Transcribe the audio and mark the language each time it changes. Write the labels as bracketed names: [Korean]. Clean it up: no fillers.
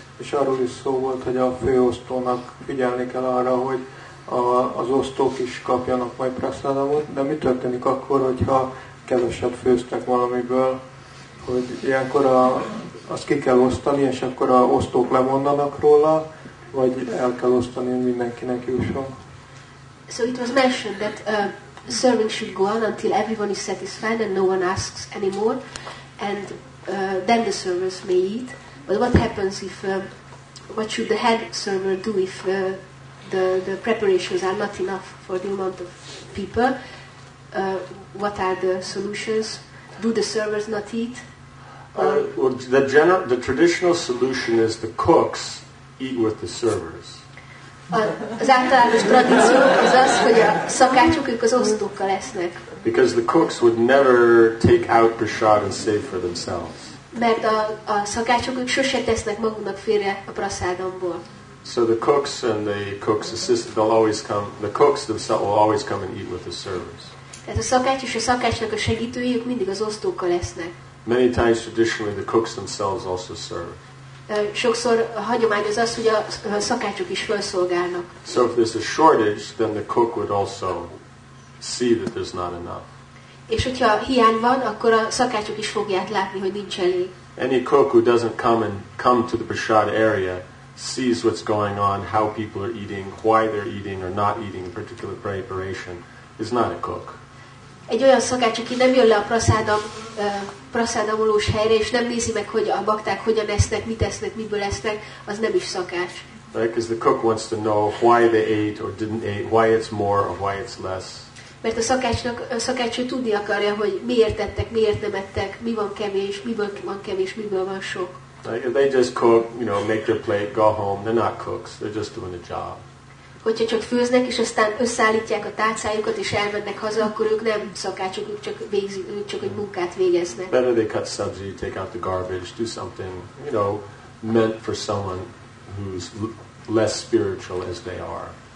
[Hungarian] És arról is szó volt, hogy a főosztónak figyelni kell arra, hogy az osztók is kapjanak majd prasadamot, de mi történik akkor, hogyha keveset főztek valamiből, hogy ilyenkor azt ki kell osztani, és akkor a osztók lemondanak róla, vagy el kell osztani, hogy mindenkinek jusson. [English] So it was mentioned that serving should go on until everyone is satisfied and no one asks anymore, and then the servers may eat. But what happens if, what should the head server do if the preparations are not enough for the amount of people? What are the solutions? Do the servers not eat? The traditional solution is the cooks eat with the servers. [Hungarian] Az általános tradíció az az, hogy a szakácsok ők az osztókkal esznek. [English] Because the cooks would never take out prasad and save for themselves. [Hungarian] Mert a szakácsok ők sose tesznek magunknak félre a prasádomból. [English] So the cooks and the cook's assistant, they'll always come, the cooks themselves will always come and eat with the servers. [Hungarian] Tehát a szakács és a szakácsnak a segítői ők mindig az osztókkal esznek. [English] Many times traditionally the cooks themselves also serve. [Hungarian] Sokszor a hagyomány az az, hogy a szakácsok is felszolgálnak. [English] So if there's a shortage, then the cook would also see that there's not enough. [Hungarian] És hogyha hiány van, akkor a szakácsok is fogják látni, hogy nincs elég. [English] Any cook who doesn't come to the prasad area sees what's going on, how people are eating, why they're eating or not eating a particular preparation, is not a cook. [Hungarian] Egy olyan szakács, aki nem jön le a prasádamolós helyre, és nem nézi meg, hogy a bakták hogyan esznek, mit esznek, miből esznek, az nem is szakács. [English] Because the cook wants to know why they ate or didn't eat, why it's more or why it's less. [Hungarian] Mert a szakácsnak tudni akarja, hogy miért ettek, miért nem ettek, mi van kevés, miből van kevés, miből van sok. [English] Like if they just cook, you know, make their plate, go home, they're not cooks, they're just doing a job. [Hungarian] Hogyha csak főznek, és aztán összeállítják a tálcájukat, és elmennek haza, akkor ők nem szakácsok, ők csak egy munkát végeznek. [English] Better they cut sabzi, take out the garbage, do something, you know, meant for someone who's less spiritual as they are.